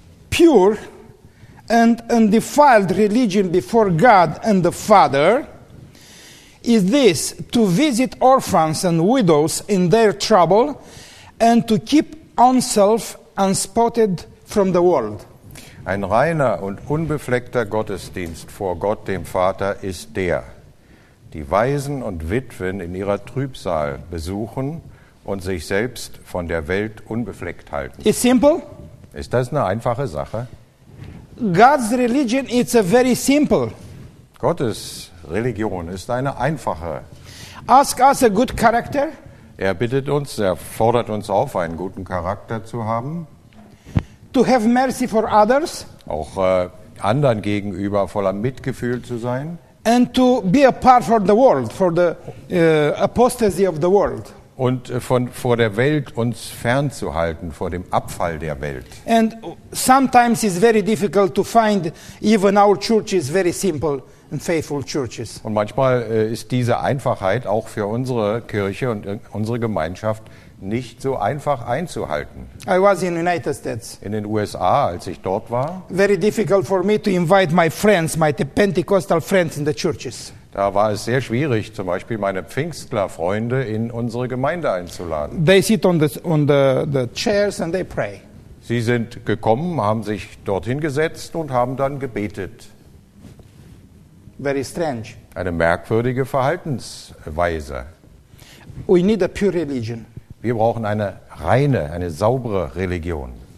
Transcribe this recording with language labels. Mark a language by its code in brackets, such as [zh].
[en] Pure and undefiled religion before God and the Father is this, to visit orphans and widows in their trouble and to keep oneself unspotted from the world. [de] Ein reiner und unbefleckter Gottesdienst vor Gott, dem Vater, ist der, die Waisen und Witwen in ihrer Trübsal besuchen und sich selbst von der Welt unbefleckt halten. [en] It's simple? [de] Ist das eine einfache Sache? [en] God's religion is a very simple. [de] Gottes Religion ist eine einfache. [en] Ask us a good character. [de] Er bittet uns, er fordert uns auf, einen guten Charakter zu haben. [en] To have mercy for others. [de] Auch anderen gegenüber voller Mitgefühl zu sein. [en] And to be a part for the world, for the apostasy of the world. [de] Und vor der Welt uns fernzuhalten, vor dem Abfall der Welt. [en] And sometimes it's very difficult to find even our churches very simple and faithful churches. [de] Und manchmal ist diese Einfachheit auch für unsere Kirche und unsere Gemeinschaft nicht so einfach einzuhalten. [en] I was in the United States. [de] In den USA, als ich dort war. [en] Very difficult for me to invite my friends, my Pentecostal friends in the churches. [de] Da war es sehr schwierig, zum Beispiel meine Pfingstler-Freunde in unsere Gemeinde einzuladen. [en] They sit on the chairs and they pray. [de] Sie sind gekommen, haben sich dorthin gesetzt und haben dann gebetet. [en] Very strange. [de] Eine merkwürdige Verhaltensweise. [en] We need a pure religion. [de] Wir brauchen eine reine, eine saubere Religion.